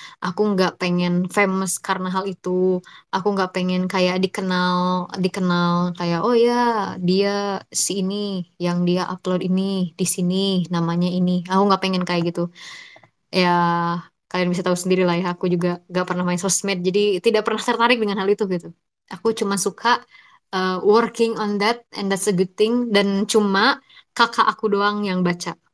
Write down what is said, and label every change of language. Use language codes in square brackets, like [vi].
[id] Aku nggak pengen famous karena hal itu. Aku nggak pengen kayak dikenal, dikenal kayak oh ya dia si ini yang dia upload ini di sini namanya ini. Aku nggak pengen kayak gitu. Ya kalian bisa tahu sendiri lah ya. Aku juga nggak pernah main sosmed. Jadi tidak pernah tertarik dengan hal itu gitu. Aku cuma suka [en] working on that, and that's a good thing. [id] Dan cuma kakak aku doang yang baca.